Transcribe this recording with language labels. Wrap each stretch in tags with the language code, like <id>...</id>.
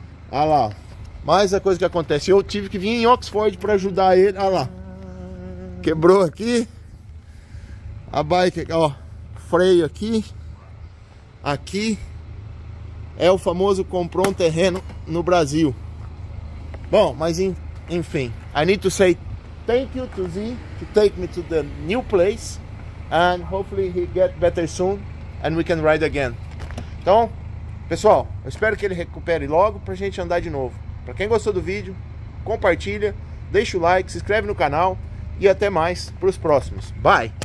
<pt>Olha lá, mais a coisa que acontece, eu tive que vir em Oxford para ajudar ele. Olha lá, quebrou aqui a bike, ó, freio aqui, aqui é o famoso comprou um terreno no Brasil. Bom, mas enfim,</pt> <en>I need to say thank you to Z to take me to the new place and hopefully he get better soon and we can ride again.</en> <pt>Então, pessoal, eu espero que ele recupere logo pra gente andar de novo. Pra quem gostou do vídeo, compartilha, deixa o like, se inscreve no canal e até mais pros próximos.</pt> <en>Bye!</en>